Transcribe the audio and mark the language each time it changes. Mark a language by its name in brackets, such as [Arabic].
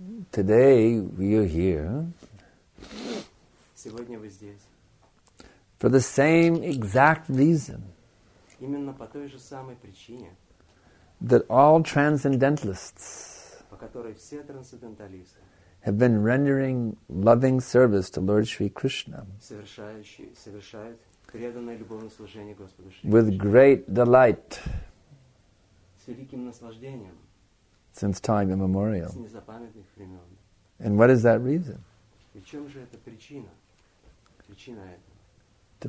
[English] Today we are here. [Russian] Сегодня вы здесь. [English] For the same exact reason. [Russian] Именно по той же самой причине. [English] That all transcendentalists. [Russian] По которой все трансценденталисты. [English] Have been rendering loving service to Lord Sri Krishna. [Russian] Совершают преданное любовное служение Господу Шри [English] Кришне. With great delight. [Russian] С великим наслаждением. [English] Since time immemorial. [Russian] С незапамятных времен. [English] And what is that reason? [Russian] И в чем же эта причина? Причина это.